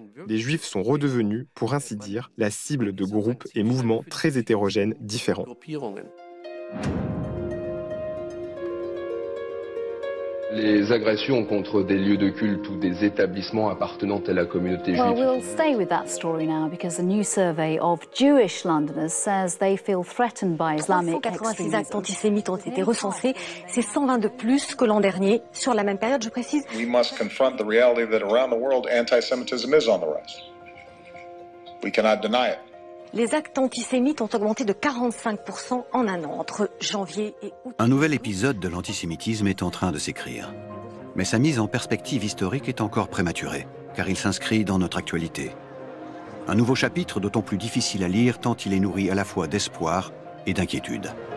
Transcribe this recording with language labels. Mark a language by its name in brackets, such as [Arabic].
[French] Les Juifs sont redevenus, pour ainsi dire, la cible de groupes et mouvements très hétérogènes différents. Les agressions contre des lieux de culte ou des établissements appartenant à la communauté juive. [English] Well, we'll stay with that story now because a new survey of Jewish Londoners says they feel threatened by Islamic extremism. [French] 386 actes antisémites ont été recensés, c'est 120 de plus que l'an dernier sur la même période, je précise. [English] We must confront the reality that around the world anti-Semitism is on the rise. We cannot deny it. [French] Les actes antisémites ont augmenté de 45% en un an, entre janvier et août. Un nouvel épisode de l'antisémitisme est en train de s'écrire. Mais sa mise en perspective historique est encore prématurée, car il s'inscrit dans notre actualité. Un nouveau chapitre d'autant plus difficile à lire tant il est nourri à la fois d'espoir et d'inquiétude.